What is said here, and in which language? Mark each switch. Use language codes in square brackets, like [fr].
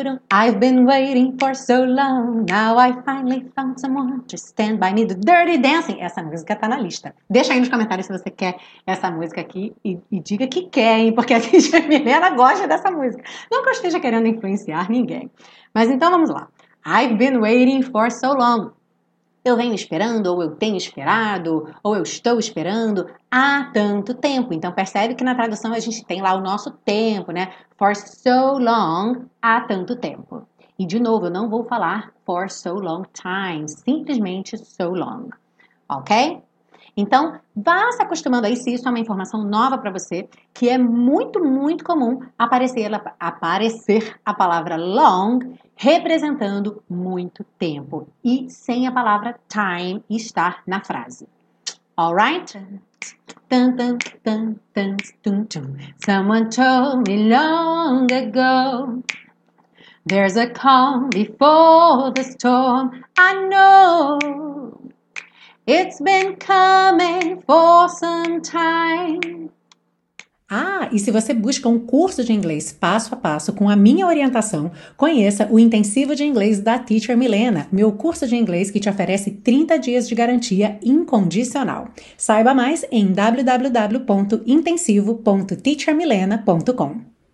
[en] I've been waiting for so long, now I finally found someone to stand by me, the Dirty Dancing. [pt] Essa música tá na lista. Deixa aí nos comentários se você quer essa música aqui e diga que quer, hein? Porque a Teacher Milena gosta dessa música. Não que eu esteja querendo influenciar ninguém. Mas então vamos lá. [en] I've been waiting for so long. [pt] Eu venho esperando, ou eu tenho esperado, ou eu estou esperando há tanto tempo. Então, percebe que na tradução a gente tem lá o nosso tempo, né? [en] For so long, [pt] há tanto tempo. E, de novo, eu não vou falar [en] for so long time, [pt] simplesmente so long, ok? Então, vá se acostumando aí, se isso é uma informação nova para você, que é muito, muito comum aparecer a palavra long representando muito tempo e sem a palavra time estar na frase. [en] Alright? Tum, tum, tum, tum, tum, tum. Someone told me long ago, there's a calm before the storm, I know. It's been coming for some time. [pt] Ah, e se você busca um curso de inglês passo a passo com a minha orientação, conheça o Intensivo de Inglês da Teacher Milena, meu curso de inglês que te oferece 30 dias de garantia incondicional. Saiba mais em www.intensivo.teachermilena.com.